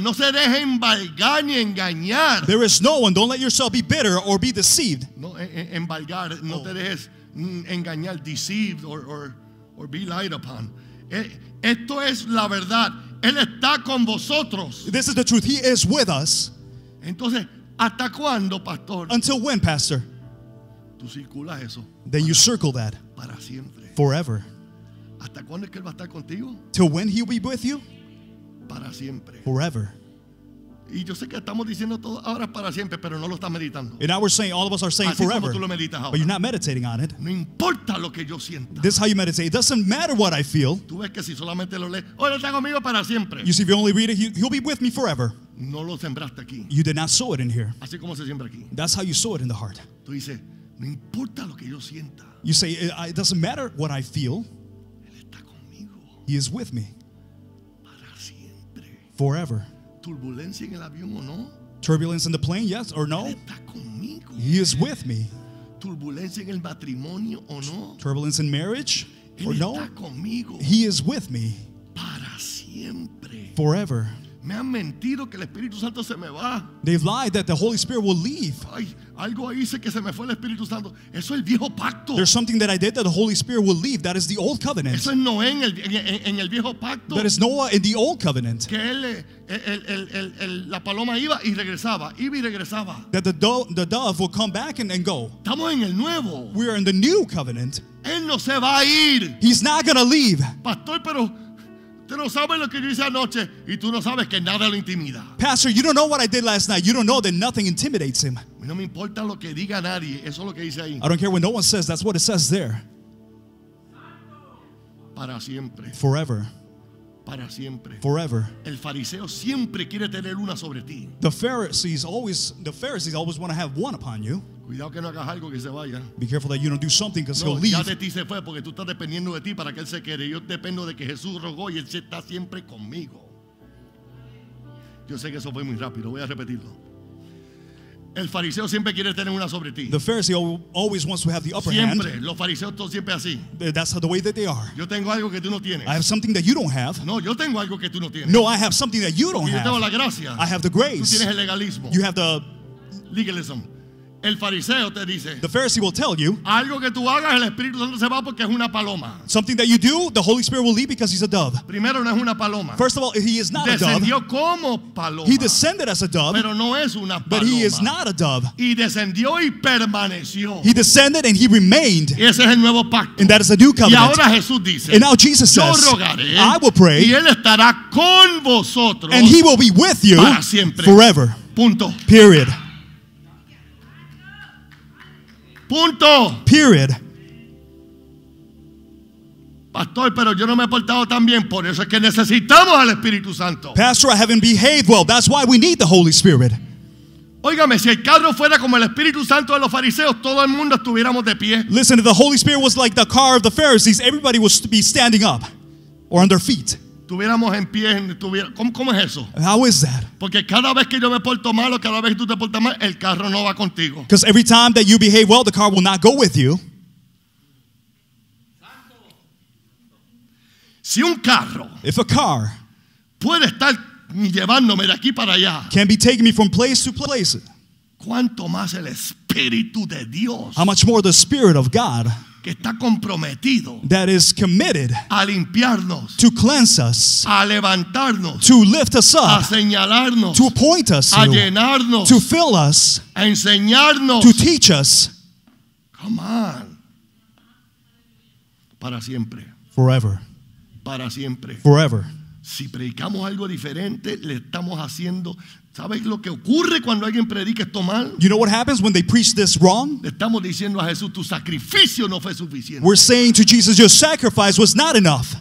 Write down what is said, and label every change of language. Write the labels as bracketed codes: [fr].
[es] No se deje embargar ni engañar. [en] There is no one. Don't let yourself be bitter or be deceived. [es] No, embargar. Oh. No te dejes engañar, [en] deceived or be lied upon. [es] Esto es la verdad. Él está con vosotros. [en] This is the truth. He is with us. [es] Entonces, ¿hasta cuándo, pastor? [en] Until when, pastor? [es] Tú circulas eso. [en] Then you circle that. [es] Para siempre. [en] Forever. [es] ¿Hasta cuándo es que él va a estar contigo? [en] Till when he'll be with you? [es] Para siempre. [en] Forever. [es] Y yo sé que estamos diciendo todo ahora para siempre, pero no lo estás meditando. [en] And now we're saying, all of us are saying [es] así [en] forever. [es] Tú lo meditas ahora. [en] But you're not meditating on it. [es] No importa lo que yo sienta. [en] This is how you meditate. It doesn't matter what I feel. [es] Tú ves que si solamente lo lees, oh, él está conmigo para siempre. [en] You see, if you only read it, he'll be with me forever. [es] No lo sembraste aquí. [en] You did not sow it in here. [es] Así como se siembra aquí. [en] That's how you sow it in the heart. [es] Tú dices, no importa lo que yo sienta. [en] You say, it doesn't matter what I feel. [es] Él está conmigo. [en] He is with me. [es] Para siempre. [en] Forever. [es] Turbulencia en el avión o no? [en] Turbulence in the plane, yes or no? [es] Está conmigo. [en] He is with me. [es] Turbulencia en el matrimonio o no? [en] Turbulence in marriage or no? [es] Está conmigo. [en] He is with me. [es] Para siempre. [en] Forever. [es] Me han mentido que el Espíritu Santo se me va. [en] They've lied that the Holy Spirit will leave. Ay, [es] Algo hice que se me fue el Espíritu Santo. Eso es el viejo pacto. [en] There's something that I did that the Holy Spirit will leave. That is the old covenant. [es] Eso es Noé en el viejo pacto. [en] That is Noah in the old covenant. [es] Que él, la paloma iba y regresaba, iba y regresaba. [en] That the dove will come back and go. [es] Estamos en el nuevo. [en] We are in the new covenant. [es] Él no se va a ir. [en] He's not going to leave. [es] Pastor, pero usted no sabe lo que yo hice anoche y tú no sabes que nada lo intimida. [en] Pastor, you don't know what I did last night. You don't know that nothing intimidates him. [es] No me importa lo que diga nadie. Eso es lo que dice ahí. [en] I don't care what no one says. That's what it says there. [es] Para siempre. [en] Forever. [es] Para siempre. [en] Forever. [es] El fariseo siempre quiere tener una sobre ti. [en] The Pharisees always want to have one upon you. [es] Cuidado que no hagas algo que se vaya. [en] Be careful that you don't do something because he'll leave. [es] Ya de ti se fue porque tú estás dependiendo de ti para que él se quede. Yo dependo de que Jesús rogó y él está siempre conmigo. Yo sé que eso fue muy rápido. Voy a repetirlo. El fariseo siempre quiere tener una sobre ti. [en] The Pharisee always wants to have the upper [es] siempre. [en] Hand. [es] Siempre, los fariseos son siempre así. [en] That's the way that they are. [es] Yo tengo algo que tú no tienes. [en] I have something that you don't have. [es] No, yo tengo algo que tú no tienes. [en] No, I have something that you don't [es] yo [en] have. [es] Yo tengo la gracia. [en] I have the grace. [es] Tú tienes el legalismo. [en] You have the [es] legalism. El fariseo te dice. [en] The Pharisee will tell you. [es] Algo que tú hagas, el Espíritu Santo se va porque es una paloma. [en] Something that you do, the Holy Spirit will leave because he's a dove. [es] Primero no es una paloma. [en] First of all, he is not [es] descendió [en] a dove. [es] Descendió como paloma. [en] He descended as a dove. [es] Pero no es una paloma. [en] But he is not a dove. [es] Y descendió y permaneció. [en] He descended and he remained. [es] Y ese es el nuevo pacto. [en] And that is a new covenant. [es] Y ahora Jesús dice. [en] And now Jesus says. [es] Yo rogaré. [en] I will pray. [es] Y él estará con vosotros. [en] And he will be with you. [es] Para siempre. [en] Forever. [es] Punto. [en] Period. [es] Punto. [en] Period. [es] Pastor, pero yo no me he portado tan bien, por eso es que necesitamos al Espíritu Santo. [en] Pastor, I haven't behaved well. That's why we need the Holy Spirit. [es] Óigame, si el carro fuera como el Espíritu Santo de los fariseos, todo el mundo estuviéramos de pie. [en] Listen, if the Holy Spirit was like the car of the Pharisees, everybody would be standing up or on their feet. [es] Tuviéramos en pie, ¿cómo es eso? [en] How is that? [es] Porque cada vez que yo me porto mal o cada vez que tú te portas mal, el carro no va contigo. [en] Because every time that you behave well, the car will not go with you. [es] Si un carro, [en] if a car, [es] puede estar llevándome de aquí para allá, [en] can be taking me from place to place. [es] ¿Cuánto más el Espíritu de Dios? [en] How much more the Spirit of God? [es] Que está comprometido, [en] that is committed, [es] a limpiarnos, [en] to cleanse us, [es] a levantarnos, [en] to lift us up, [es] a señalarnos, [en] to point us, [es] a llenarnos, [en] to fill us, [es] a enseñarnos, [en] to teach us. Come on. [es] Para siempre. [en] Forever. [es] Para siempre. [en] Forever. [es] Si predicamos algo diferente, le estamos haciendo. ¿Sabes lo que ocurre cuando alguien predica esto mal? [en] You know what happens when they preach this wrong? [es] Estamos diciendo a Jesús, tu sacrificio no fue suficiente. [en] We're saying to Jesus, your sacrifice was not enough.